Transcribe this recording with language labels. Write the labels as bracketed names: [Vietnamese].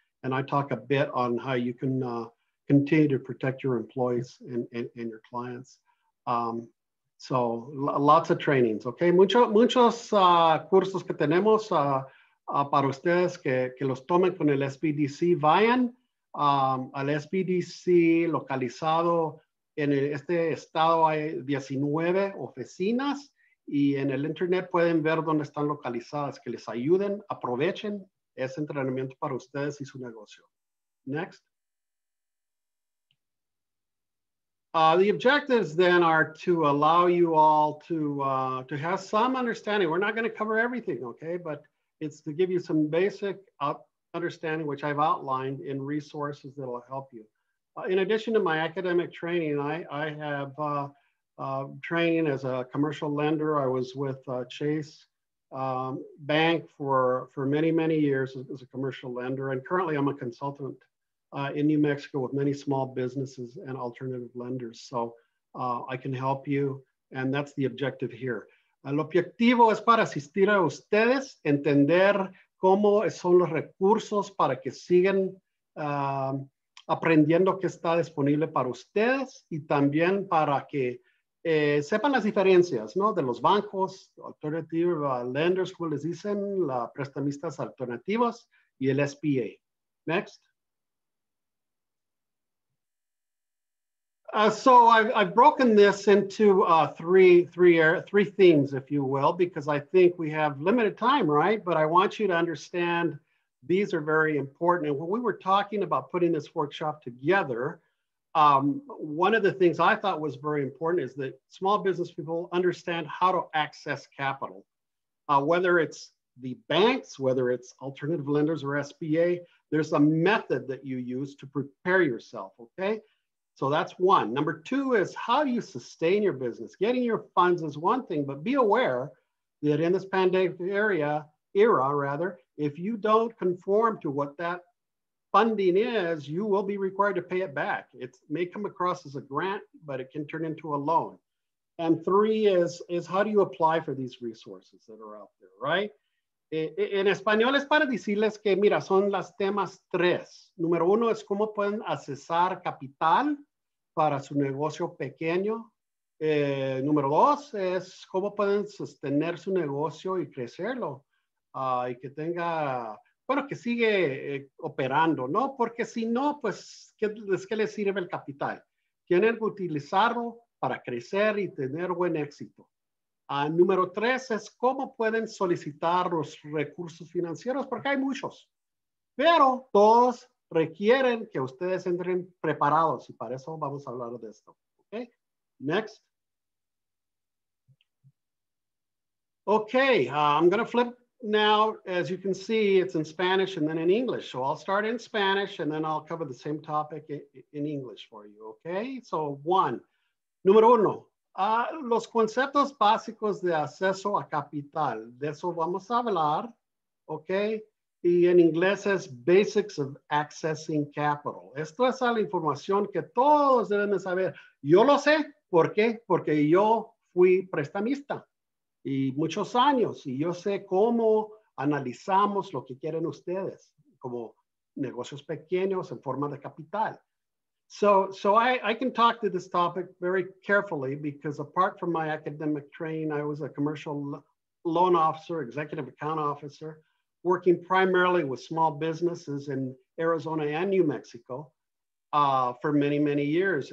[English] And I talk a bit on how you can continue to protect your employees and your clients. So lots of trainings, okay? [Spanish] Muchos cursos que tenemos para ustedes que los tomen con el SBDC. Vayan al SBDC localizado en este estado. Hay 19 oficinas y en el internet pueden ver dónde están localizadas, que les ayuden, aprovechen ese entrenamiento para ustedes y su negocio. [English] Next. The objectives then are to allow you all to have some understanding. We're not going to cover everything, okay? But it's to give you some basic understanding, which I've outlined in resources that will help you. In addition to my academic training, I have training as a commercial lender. I was with Chase Bank for many, many years as a commercial lender. And currently I'm a consultant in New Mexico with many small businesses and alternative lenders. So I can help you, and that's the objective here. [Spanish] El objetivo es para asistir a ustedes, entender cómo son los recursos para que sigan aprendiendo qué está disponible para ustedes y también para que sepan las diferencias, ¿no? De los bancos, [English] alternative lenders, [Spanish] como les dicen, la prestamistas alternativos y el SBA. [English] Next. So I've broken this into three themes, if you will, because I think we have limited time, right? But I want you to understand these are very important. And when we were talking about putting this workshop together, one of the things I thought was very important is that small business people understand how to access capital, whether it's the banks, whether it's alternative lenders or SBA, there's a method that you use to prepare yourself, okay? So that's one. Number two is how do you sustain your business? Getting your funds is one thing, but be aware that in this pandemic era, if you don't conform to what that funding is, you will be required to pay it back. It may come across as a grant, but it can turn into a loan. And three is how do you apply for these resources that are out there, right? [Spanish] En español es para decirles que, mira, son las temas tres. Número uno es cómo pueden accesar capital para su negocio pequeño. Número dos es cómo pueden sostener su negocio y crecerlo. Y que tenga, bueno, que sigue operando, ¿no? Porque si no, pues, ¿qué les sirve el capital? Tienen que utilizarlo para crecer y tener buen éxito. Número tres es cómo pueden solicitar los recursos financieros, porque hay muchos, pero todos requieren que ustedes entren preparados y para eso vamos a hablar de esto. [English] Okay, next. Okay, I'm going to flip now. As you can see, it's in Spanish and then in English. So I'll start in Spanish and then I'll cover the same topic in English for you. Okay, so one, [Spanish] número uno. Los conceptos básicos de acceso a capital, de eso vamos a hablar, okay? Y en inglés es [English] basics of accessing capital. [Spanish] Esto es la información que todos deben de saber. Yo lo sé, ¿por qué? Porque yo fui prestamista y muchos años, y yo sé cómo analizamos lo que quieren ustedes, como negocios pequeños en forma de capital. [English] So I can talk to this topic very carefully because apart from my academic training, I was a commercial loan officer, executive account officer, working primarily with small businesses in Arizona and New Mexico for many, many years.